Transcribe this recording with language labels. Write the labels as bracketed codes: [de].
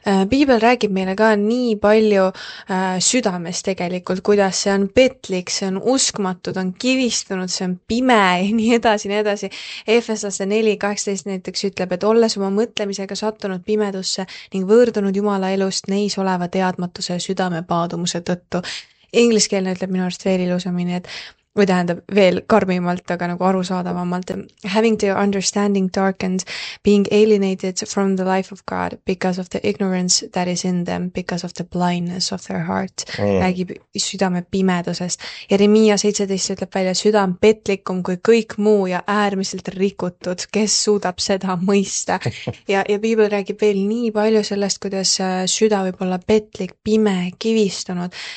[et] Piibel räägib meile ka nii palju südames tegelikult, kuidas see on petlik, see on uskmatud, on kivistunud, see on pime ja nii edasi, nii edasi. Efesase 4.18 näiteks ütleb, et olles oma mõtlemisega sattunud pimedusse ning võõrdunud Jumala elust neis oleva teadmatuse südame paadumuse tõttu. Ingliskeelne ütleb minu arust veel ilusamini, et või tähendab veel karmimalt, aga nagu arusaadavamalt. [en] Having their understanding darkened, being alienated from the life of God because of the ignorance that is in them, because of the blindness of their heart. [et] Räägib südame pimedusest. Ja Remia 17 ütleb välja, südam petlikum kui kõik muu ja äärmiselt rikutud, kes suudab seda mõista. Ja Piibel räägib veel nii palju sellest, kuidas süda võib olla petlik, pime, kivistunud.